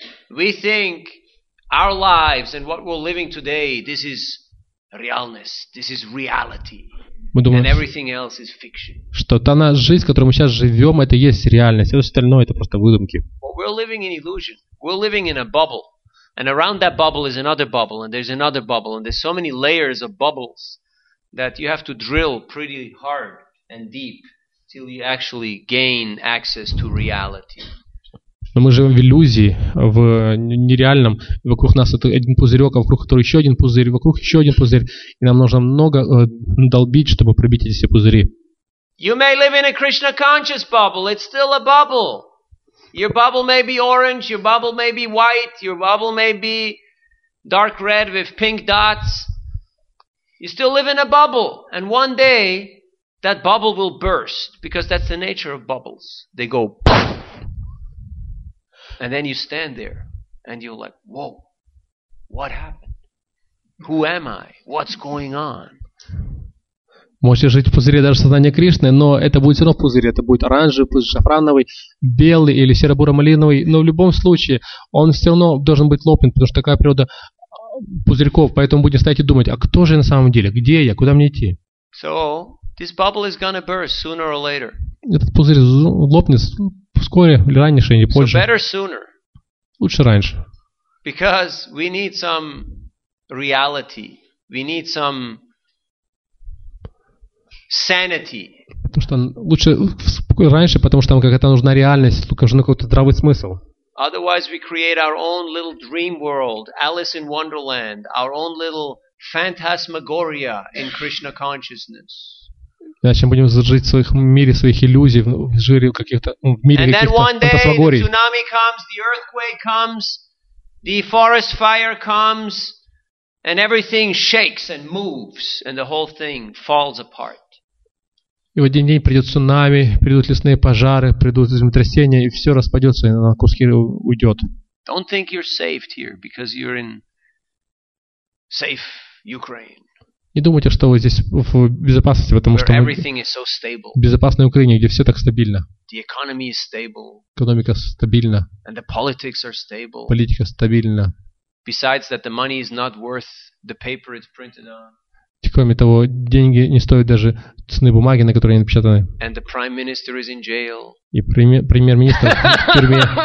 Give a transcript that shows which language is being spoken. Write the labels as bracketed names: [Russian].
[English] We think our lives and what we're living today, this is realness, this is reality. [Russian] Мы думаем, что та наша жизнь, которую мы сейчас живем, это и есть реальность. Все остальное это просто выдумки. [English] We're living in a bubble, and around that bubble is another bubble, and there's another bubble, and there's so many layers of bubbles that you have to drill pretty hard and deep till you actually gain access to reality. [Russian] Но мы живем в иллюзии, в нереальном. Вокруг нас это один пузырек, а вокруг которого еще один пузырь, вокруг еще один пузырь, и нам нужно много долбить, чтобы пробить эти все пузыри. [English] You may live in a Krishna conscious bubble. It's still a bubble. Your bubble may be orange, your bubble may be white, your bubble may be dark red with pink dots. You still live in a bubble, and one day that bubble will burst because that's the nature of bubbles. They go poof. And then you stand there and you're like, "Whoa. What happened?" Who am I? What's going on? [Russian] Можете жить в пузыре даже сознания Кришны, но это будет все равно пузырь. Это будет оранжевый пузырь, шафрановый, белый или серо-буро-малиновый. Но в любом случае он все равно должен быть лопнет, потому что такая природа пузырьков. Поэтому будем стоять и думать, а кто же я на самом деле? Где я? Куда мне идти? [English] So, this bubble is gonna burst sooner or later. [Russian] Этот пузырь лопнет вскоре, или раньше, или позже. [English] So better sooner. [Russian] Лучше раньше. [English] Because we need some reality. We need some sanity. [Russian] Потому что лучше раньше, потому что нам какая-то нужна реальность, только нужен какой-то здравый смысл. [English] Otherwise we create our own little dream world, Alice in Wonderland, our own little phantasmagoria in Krishna consciousness. [Russian] Иначе будем жить в своих мире, своих иллюзий, в жире каких-то, в мире каких-то фантасмагорий. [English] And then one day the tsunami comes, the earthquake comes, the forest fire comes, and everything shakes and moves, and the whole thing falls apart. [Russian] И в один день придет цунами, придут лесные пожары, придут землетрясения, и все распадется, и на куски уйдет. [English] Don't think you're safe here, because you're in safe Ukraine. [Russian] Не думайте, что вы здесь в безопасности, потому [English] where [Russian] что [English] everything is so stable. [Russian] В безопасной Украине, где все так стабильно. [English] The economy is stable. [Russian] Экономика стабильна. [English] And the politics are stable. [Russian] Политика стабильна. [English] Besides that, the money is not worth the paper it's printed on. [Russian] Кроме того, деньги не стоят даже цены бумаги, на которой они напечатаны. [English] And the prime minister is in jail. [Russian] И премьер-министр в тюрьме.